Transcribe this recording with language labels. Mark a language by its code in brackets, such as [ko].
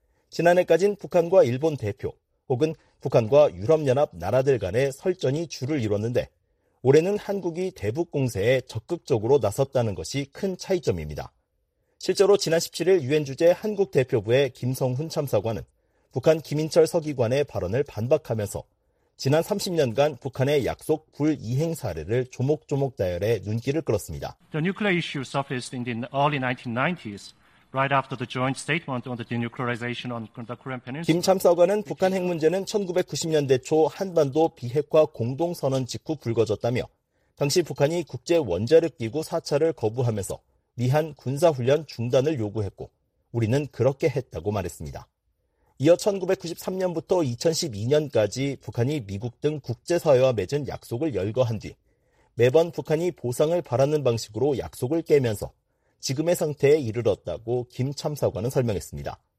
[ko] 지난해까진 북한과 일본 대표 혹은 북한과 유럽연합 나라들 간의 설전이 주를 이뤘는데 올해는 한국이 대북 공세에 적극적으로 나섰다는 것이 큰 차이점입니다. 실제로 지난 17일 유엔 주재 한국 대표부의 김성훈 참사관은 북한 김인철 서기관의 발언을 반박하면서 지난 30년간 북한의 약속 불 이행 사례를 조목조목 나열해 눈길을 끌었습니다. [en] The nuclear issue surfaced in the early 1990s. Right after the joint statement on the denuclearization on the Korean Peninsula. [ko] 김 참사관은 북한 핵 문제는 1990년대 초 한반도 비핵화 공동선언 직후 불거졌다며 당시 북한이 국제 원자력 기구 4차를 거부하면서 미한 군사 훈련 중단을 요구했고 우리는 그렇게 했다고 말했습니다. 이어 1993년부터 2012년까지 북한이 미국 등 국제 사회와 맺은 약속을 열거한 뒤 매번 북한이 보상을 바라는 방식으로 약속을 깨면서 지금의 상태에 이르렀다고 김 참사관은 설명했습니다.